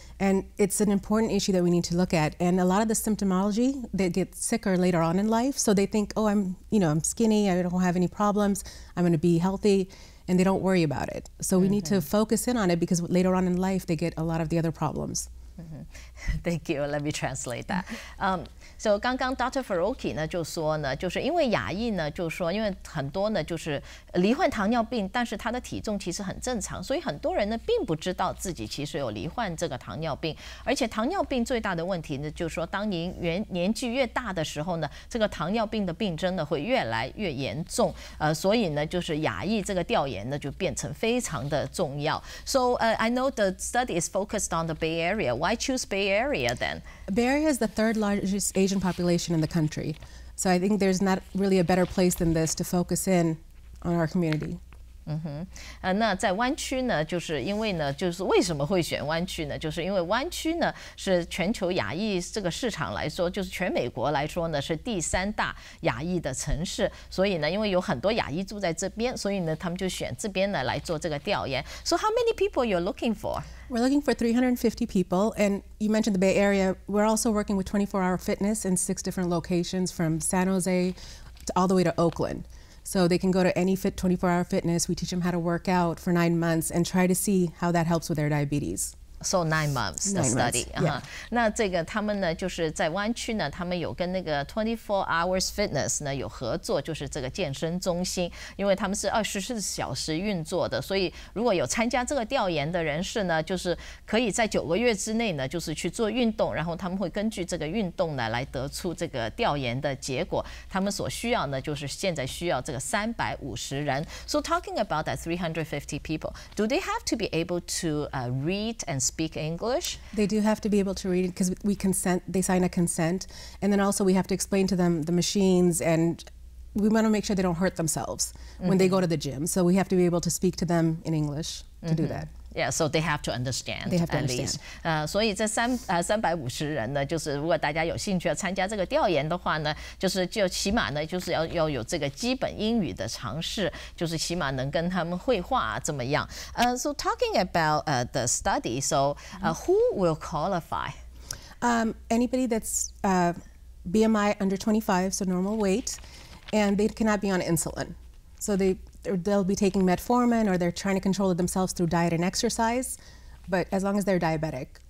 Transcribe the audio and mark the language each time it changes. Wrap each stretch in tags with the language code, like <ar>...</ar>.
<en>And it's an important issue that we need to look at. And a lot of the symptomology, they get sicker later on in life. So they think, oh, I'm skinny. I don't have any problems. I'm going to be healthy. And they don't worry about it. So we need to focus in on it, because later on in life, they get a lot of the other problems. Thank you. Let me translate that. So</en> <zh>刚刚</zh> <en>Dr.</en> <zh>Farooqi 呢就说呢，就是因为亚裔呢，就说因为很多呢就是罹患糖尿病，但是他的体重其实很正常，所以很多人呢并不知道自己其实有罹患这个糖尿病。而且糖尿病最大的问题呢，就是说当您年纪越大的时候呢，这个糖尿病的病症呢会越来越严重。所以呢就是亚裔这个调研呢就变成非常的重要。</zh> <en>So I know the study is focused on the Bay Area. Why choose Bay Area then? Bay Area is the third largest Asian population in the country. So I think there's not really a better place than this to focus in on our community.</en> <zh>那在湾区呢，就是因为呢，就是为什么会选湾区呢？就是因为湾区呢是全球亚裔这个市场来说，就是全美国来说呢是第三大亚裔的城市。所以呢，因为有很多亚裔住在这边，所以呢他们就选这边呢来做这个调研。</zh> <en>So how many people you're looking for? We're looking for 350 people, and you mentioned the Bay Area. We're also working with 24-hour fitness in 6 different locations, from San Jose to all the way to Oakland. So they can go to any 24-hour fitness. We teach them how to work out for 9 months and try to see how that helps with their diabetes. So 9 months the study. Months,、yeah.</en> <zh>那这个他们呢就是在湾区呢，他们有跟那个 24 hours fitness 呢有合作，就是这个健身中心，因为他们是24小时运作的，所以如果有参加这个调研的人士呢，就是可以在9个月之内呢就是去做运动，然后他们会根据这个运动呢来得出这个调研的结果。他们所需要呢就是现在需要这个350人。</zh> <en>So talking about that 350 people, do they have to be able to read and speak English? They do have to be able to read it, because they sign a consent. And then also we have to explain to them the machines, and we want to make sure they don't hurt themselves when they go to the gym. So we have to be able to speak to them in English to do that. Yeah, so they have to understand. They have to understand.</en> <zh>所以这350人呢，就是如果大家有兴趣要参加这个调研的话呢，就起码呢，就是要有这个基本英语的尝试，就是起码能跟他们会话怎么样。</zh> <en>So talking about the study, who will qualify? Anybody that's BMI under 25, so normal weight, and they cannot be on insulin. So they'll be taking metformin, or they're trying to control it themselves through diet and exercise, but as long as they're diabetic.</en>